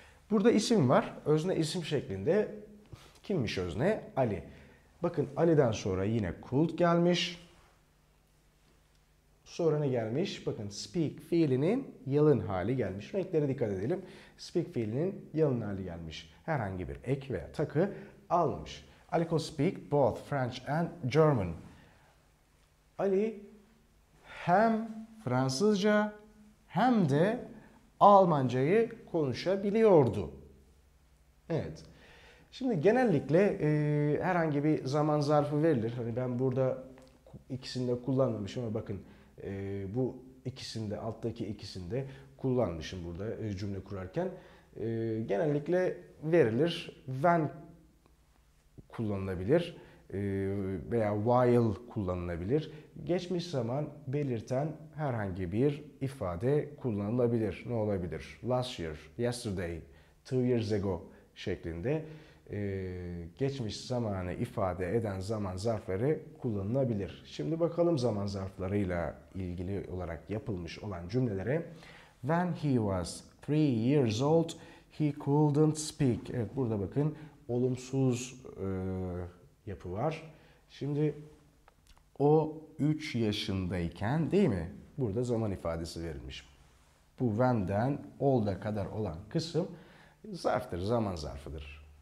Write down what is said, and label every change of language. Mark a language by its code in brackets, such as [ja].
[tr] Burada isim var. Özne isim şeklinde. Kimmiş özne? Ali. Bakın Ali'den sonra yine could gelmiş. Sonra ne gelmiş? Bakın speak fiilinin yalın hali gelmiş. Renklere dikkat edelim. Speak fiilinin yalın hali gelmiş. Herhangi bir ek veya takı almış. [en] Ali could speak both French and German. [tr] Ali hem Fransızca hem de Almancayı konuşabiliyordu. Evet. Şimdi genellikle herhangi bir zaman zarfı verilir. Hani ben burada ikisini de kullanmamışım ama bakın bu ikisinde, alttaki ikisinde kullanmışım burada cümle kurarken. Genellikle verilir. When kullanılabilir veya while kullanılabilir. Geçmiş zaman belirten herhangi bir ifade kullanılabilir. Ne olabilir? [en] Last year, yesterday, 2 years ago [tr] şeklinde geçmiş zamanı ifade eden zaman zarfları kullanılabilir. Şimdi bakalım zaman zarflarıyla ilgili olarak yapılmış olan cümlelere. [en] When he was 3 years old, he couldn't speak. [tr] Evet, burada bakın olumsuz yapı var. Şimdi o 3 yaşındayken değil mi? Burada zaman ifadesi verilmiş. Bu when'den old'a kadar olan kısım zarftır, zaman zarfıdır.